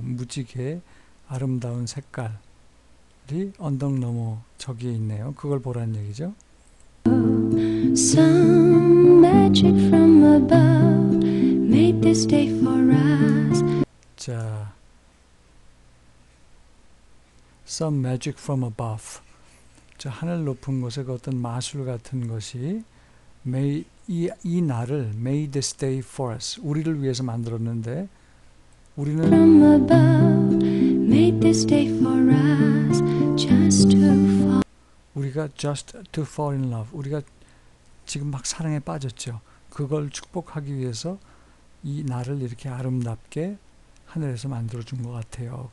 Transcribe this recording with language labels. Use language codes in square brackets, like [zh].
[ko] 무지개 아름다운 색깔이 언덕 넘어 저기에 있네요. 그걸 보란 얘기죠. [en] Some magic from above made this day for us. 자, some magic from above. [ko] 저 하늘 높은 곳에 그 어떤 마술 같은 것이 이 날을 [en] made this day for us [ko] 우리를 위해서 만들었는데 우리는 [en] From above made this day for us just to fall. [ko] 우리가 [en] just to fall in love [ko] 우리가 지금 막 사랑에 빠졌죠. 그걸 축복하기 위해서 이 날을 이렇게 아름답게 하늘에서 만들어 준것 같아요.